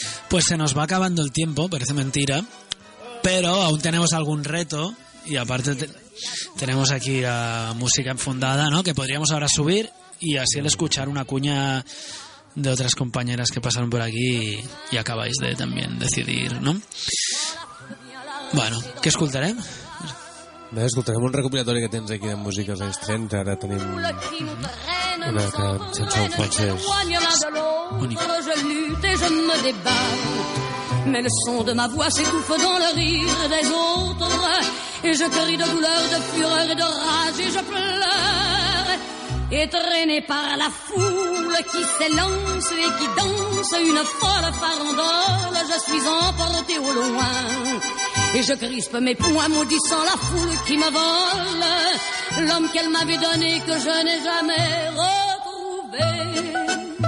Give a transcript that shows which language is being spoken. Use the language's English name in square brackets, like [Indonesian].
[Spanish] Pues se nos va acabando el tiempo, parece mentira, pero aún tenemos algún reto, y aparte tenemos aquí la música enfundada, ¿no? Que podríamos ahora subir y así al escuchar una cuña de otras compañeras que pasaron por aquí y acabáis de también decidir, ¿no? Bueno, ¿qué escucharemos? [Catalan] Bé, escoltarem un recopilatori que tens aquí de música als anys 30. Ara tenim una que sense el fons és única. [French] Mais le son de ma voix s'étouffe dans le rire des autres, et je crie de douleur, de fureur et de rage, et je pleure, et traîné par la foule qui s'élance et qui danse une folle farandole, je suis emporté au loin, et je crispe mes poings maudissant la foule qui me vole, l'homme qu'elle m'avait donné que je n'ai jamais retrouvé.